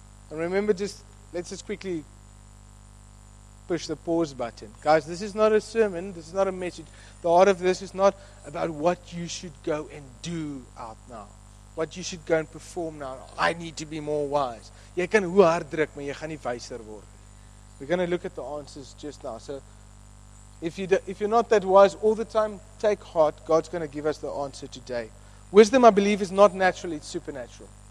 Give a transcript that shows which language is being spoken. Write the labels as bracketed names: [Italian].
[English] And remember, let's just quickly push the pause button. Guys, this is not a sermon. This is not a message. The heart of this is not about what you should go and do out now. What you should go and perform now. I need to be more wise. [Afrikaans] Jy kan hoe hard druk, maar jy gaan nie wyser word. [English] We're going to look at the answers just now. So if you're not that wise all the time, take heart. God's going to give us the answer today. Wisdom, I believe, is not natural. It's supernatural.